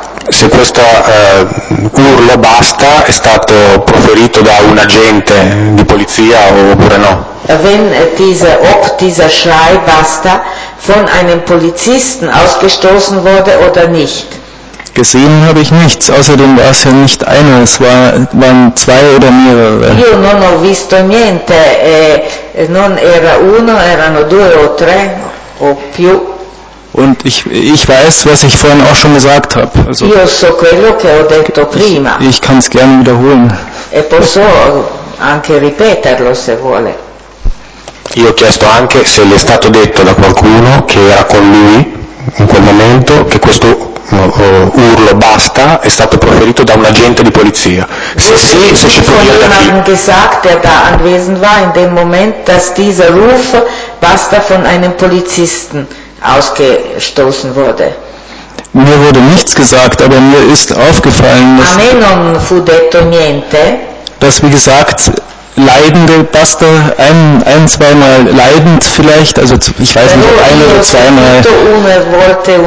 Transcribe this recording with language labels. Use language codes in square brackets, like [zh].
[it] Se questo urlo basta è stato proferito da un agente di polizia oppure no? [de] Ob dieser Schrei basta von einem Polizisten ausgestoßen wurde oder nicht. Gesehen habe ich nichts, außerdem war es ja nicht einer, es waren zwei oder mehrere. [it] Io non ho visto niente, non era uno, erano due o tre o più. [de] Und ich weiß, was ich vorhin auch schon gesagt habe. Also, [it] io so quello che ho detto prima. [de] Ich kann es gerne wiederholen. [it] E posso anche ripeterlo se vuole. Io ho chiesto anche se gli è stato detto da qualcuno che era con lui in quel momento che questo urlo basta è stato proferito da un agente di polizia. Se sì, se ci può dire da chi. [de] Von jemandem gesagt, der da anwesend war in dem Moment, dass dieser Ruf basta von einem Polizisten ausgestoßen wurde. Mir wurde nichts gesagt, aber mir ist aufgefallen, dass. [it] A me non fu detto niente. [de] Dass wie gesagt Leidende, basta, ein, zweimal leidend vielleicht, also ich weiß nicht, ob ein oder zweimal.